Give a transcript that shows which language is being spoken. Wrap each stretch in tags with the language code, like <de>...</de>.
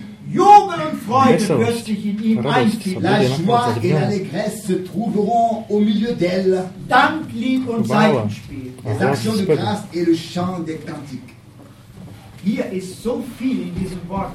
<de>Jubel und Freude wird sich in ihm einfinden.</de> <fr>La joie et l'allégresse se trouveront au milieu d'elle.</fr> <de>Danklied und Seitenspiel.</de> <fr>Les actions de grâce et le chant des cantiques.</fr> <de>Hier ist so viel in diesem Wort.</de>